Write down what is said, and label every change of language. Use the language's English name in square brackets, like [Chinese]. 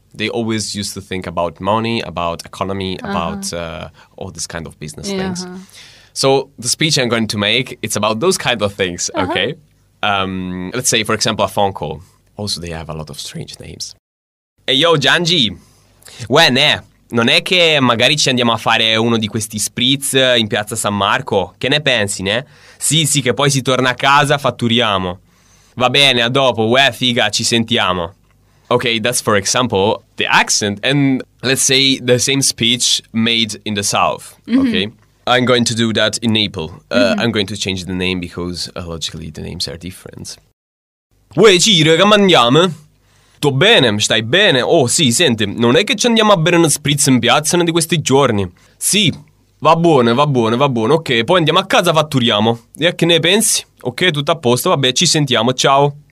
[English] They always used to think about money, about economy, about all this kind of business things. So the speech I'm going to make, it's about those kind of things, okay? Let's say, for example, a phone call. Also, they have a lot of strange names. Hey, yo, Gianji! [Italian] Non è che magari ci andiamo a fare uno di questi spritz in Piazza San Marco? Che ne pensi, ne? Sì, sì, che poi si torna a casa, fatturiamo. Va bene, a dopo. Uè, figa, ci sentiamo. [English] Okay, that's, for example, the accent. And let's say the same speech made in the South, okay? I'm going to do that in Naples. I'm going to change the name because, logically, the names are different. [Italian] Uè, Ciro, che mandiamo? Sto bene, stai bene? Oh, sì, senti, non è che ci andiamo a bere uno spritz in piazza uno di questi giorni? Sì, va bene, va bene, va bene. Ok, poi andiamo a casa, fatturiamo. E che ne pensi? Ok, tutto a posto, vabbè, ci sentiamo, ciao.